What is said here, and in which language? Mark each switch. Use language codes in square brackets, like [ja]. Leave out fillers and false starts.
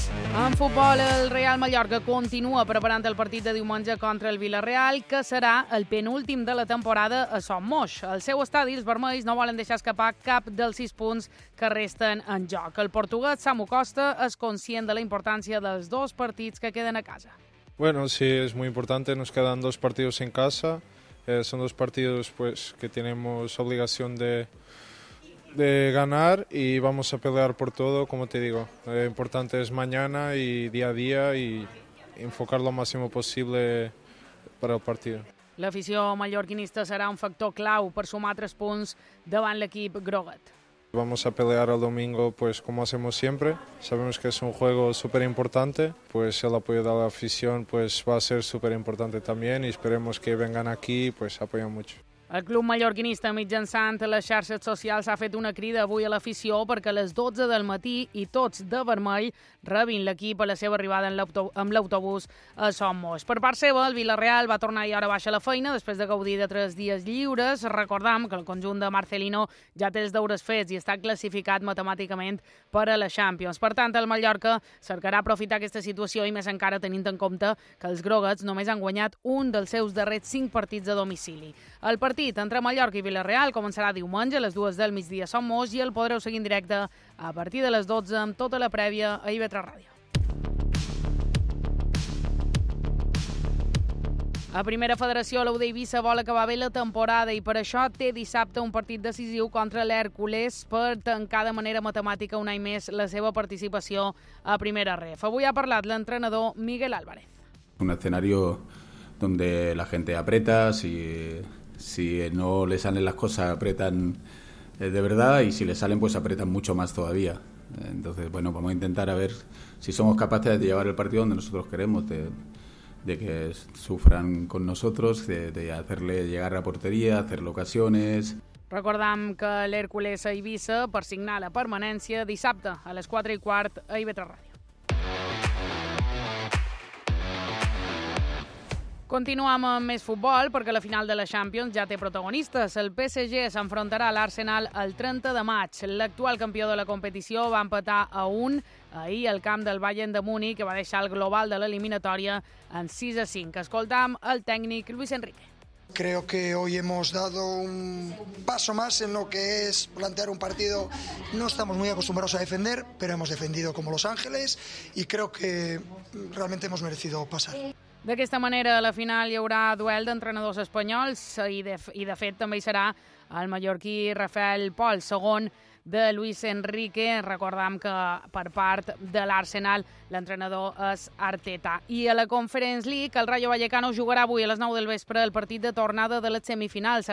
[ca] En futbol, el Real Mallorca continua preparant el partit de diumenge contra el Villarreal, que serà el penúltim de la temporada a Son Moix. Al seu estadi, els vermells no volen deixar escapar cap dels 6 punts que resten en joc. El portuguès Samu Costa és conscient de la importància dels 2 partits que queden a casa. [es] Bueno, sí, es muy importante. Nos quedan 2 partidos en casa. Son 2 partidos pues, que tenemos obligación de ganar y vamos a pelear por todo, como te digo. Lo importante es mañana y día a día y enfocar lo máximo posible para el partido. [ca] L'afició mallorquinista serà un factor clau per sumar 3 punts davant l'equip groguet. [es] Vamos a pelear el domingo pues como hacemos siempre. Sabemos que es un juego súper importante, pues el apoyo de la afición pues va a ser súper importante también y esperemos que vengan aquí pues apoyen mucho. [ca] El club mallorquinista, mitjançant les xarxes socials, ha fet una crida avui a l'afició perquè a les 12 del matí i tots de vermell rebin l'equip a la seva arribada amb l'autobús a Son Moix. Per part seva, el Villarreal va tornar i ara baixa la feina després de gaudir de 3 dies lliures. Recordem que el conjunt de Marcelino ja té els deures fets i està classificat matemàticament per a la Champions. Per tant, el Mallorca cercarà aprofitar aquesta situació i més encara tenint en compte que els groguets només han guanyat un dels seus darrers 5 partits a domicili. El partit entre Mallorca i Villarreal començarà diumenge a les 2 del migdia a Son Moix i el podreu seguir en directe a partir de les 12 amb tota la prèvia a IB3 Ràdio. A Primera Federació, l'UD Eivissa vol acabar bé la temporada i per això té dissabte un partit decisiu contra l'Hèrcules per tancar de manera matemàtica un any més la seva participació a Primera Ref. Avui ha parlat l'entrenador Miguel Álvarez. Un escenari on la gent apreta, [es] si no le salen las cosas, apretan de verdad, y si le salen, pues apretan mucho más todavía. Entonces, bueno, vamos a intentar a ver si somos capaces de llevar el partido donde nosotros queremos, de que sufran con nosotros, de hacerle llegar a portería, hacer ocasiones. [ca] Recordem que l'Hèrcules a Eivissa per signar la permanència dissabte a les 4:15 a IB3 Ràdio. Continuem amb més futbol, perquè la final de la Champions ja té protagonistes. El PSG s'enfrontarà a l'Arsenal el 30 de maig. L'actual campió de la competició va empatar a 1 ahir al camp del Bayern de Múnich, que va deixar el global de l'eliminatòria en 6-5. Escoltam el tècnic Luis Enrique. [es] Creo que hoy hemos dado un paso más en lo que es plantear un partido. No estamos muy acostumbrados a defender, pero hemos defendido como los ángeles y creo que realmente hemos merecido pasar. [ca] D'aquesta manera, a la final hi haurà duel d'entrenadors espanyols i de fet, també hi serà el mallorquí Rafael Pol, segon de Luis Enrique. Recordem que per part de l'Arsenal l'entrenador és Arteta. I a la Conference League, el Rayo Vallecano jugarà avui a les 9 del vespre el partit de tornada de les semifinals.